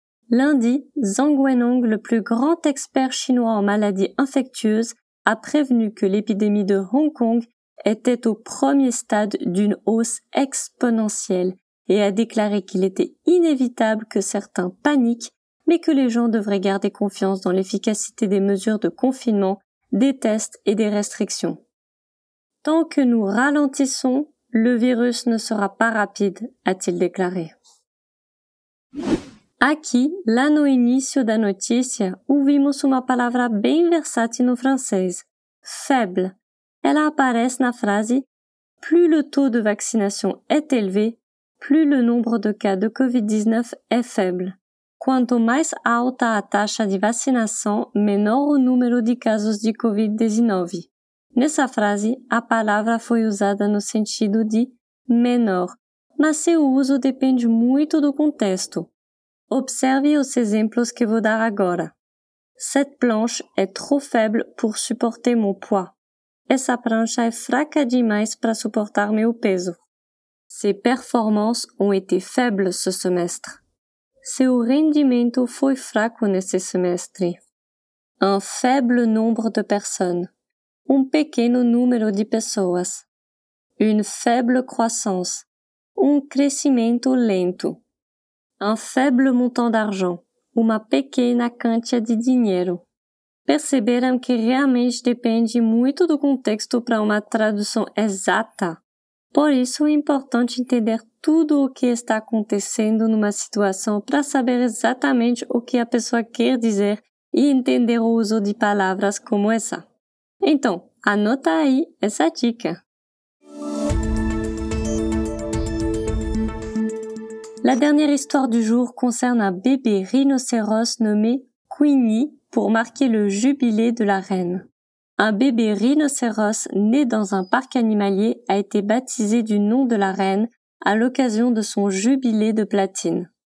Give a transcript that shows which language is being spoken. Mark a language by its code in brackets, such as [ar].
[fr] Lundi, Zhang Wenhong, le plus grand expert chinois en maladies infectieuses, a prévenu que l'épidémie de Hong Kong était au premier stade d'une hausse exponentielle et a déclaré qu'il était inévitable que certains paniquent, mais que les gens devraient garder confiance dans l'efficacité des mesures de confinement, des tests et des restrictions. « Tant que nous ralentissons, le virus ne sera pas rapide », a-t-il déclaré. [pt] Aqui, lá no início da notícia, ouvimos uma palavra bem versátil no francês, faible. Ela aparece na frase [fr] Plus le taux de vaccination est élevé, plus le nombre de cas de COVID-19 est faible. [pt] Quanto mais alta a taxa de vacinação, menor o número de casos de COVID-19. Nessa frase, a palavra foi usada no sentido de menor, mas seu uso depende muito do contexto. Observe os exemplos que vou dar agora. [fr] Cette planche est trop faible pour supporter mon poids. [pt] Essa prancha é fraca demais para suportar meu peso. [fr] Ses performances ont été faibles ce semestre. [pt] Seu rendimento foi fraco nesse semestre. [fr] Un faible nombre de personnes. [pt] Un pequeno número de pessoas. [fr] Une faible croissance. [pt] Un crescimento lento. [fr] Un faible montant d'argent, [pt] uma pequena quantia de dinheiro. Perceberam que realmente depende muito do contexto para uma tradução exata? Por isso é importante entender tudo o que está acontecendo numa situação para saber exatamente o que a pessoa quer dizer e entender o uso de palavras como essa. Então, anota aí essa dica! [fr] La dernière histoire du jour concerne un bébé rhinocéros nommé Queenie pour marquer le jubilé de la reine. Un bébé rhinocéros né dans un parc animalier a été baptisé du nom de la reine à l'occasion de son jubilé de platine.